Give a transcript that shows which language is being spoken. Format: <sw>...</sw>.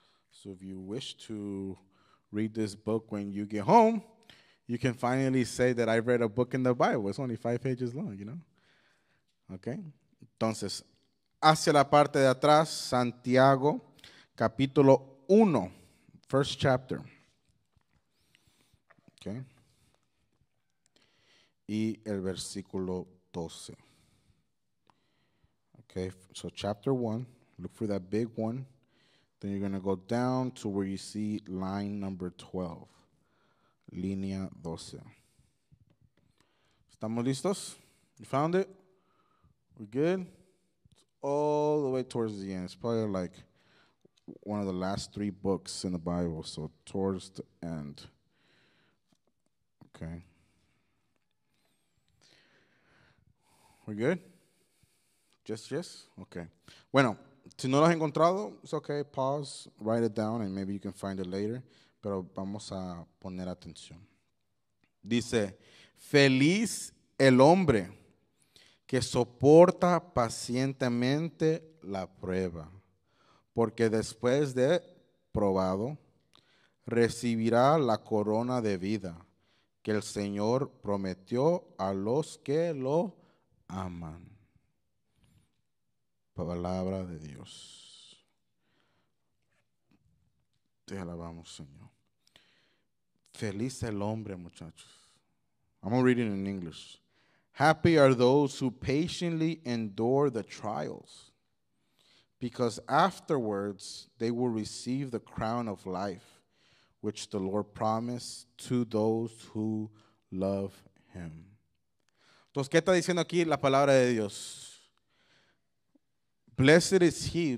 <en>So if you wish to read this book when you get home, you can finally say that I've read a book in the Bible. It's only 5 pages long, you know? Okay.</en> <es>Entonces, hacia la parte de atrás, Santiago, capítulo 1,</es> <en>first chapter. Okay.</en> <es>Y el versículo 12.</es> <en>Okay, so chapter 1, look for that big one. Then you're going to go down to where you see line number 12.</en> <es>Línea 12. ¿Estamos listos?</es> <en>You found it? We're good? It's all the way towards the end. It's probably like one of the last 3 books in the Bible. So towards the end. Okay. We're good? Yes. Okay.</en> <es>Bueno, si no lo has encontrado,</es> <en>it's okay. Pause, write it down, and maybe you can find it later.</en> <es>Pero vamos a poner atención. Dice, feliz el hombre que soporta pacientemente la prueba, porque después de probado, recibirá la corona de vida que el Señor prometió a los que lo aman. Palabra de Dios. Te alabamos, Señor. Feliz el hombre, muchachos.</es> <en>I'm reading in English. Happy are those who patiently endure the trials, because afterwards they will receive the crown of life, which the Lord promised to those who love him.</en> <es>Entonces, ¿qué está diciendo aquí la palabra de Dios?</es> <en>Blessed is he.</en>